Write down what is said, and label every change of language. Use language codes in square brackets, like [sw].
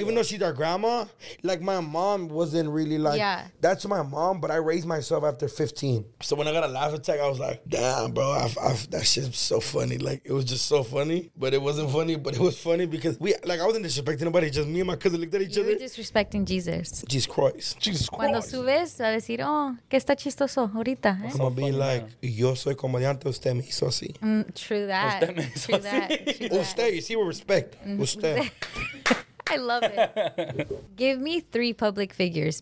[en] Even though she's our grandma, like, my mom wasn't really like... Yeah. That's my mom, but I raised myself after 15. So when I got a laugh attack, I was like, damn, bro, that shit's so funny. Like, it was just so funny, but it wasn't funny, but it was funny because we... Like, I wasn't disrespecting nobody, just me and my cousin looked at each other. You were disrespecting Jesus. Jesus Christ. Jesus Christ. [es] Cuando subes, a decir, oh, que está chistoso ahorita. [en] I'm going to be like, [es] yo soy comediante, usted me hizo así. True that. Usted me hizo así. Usted, [en] you see, with respect. [es] Usted. [en] I love it. Give me three public figures.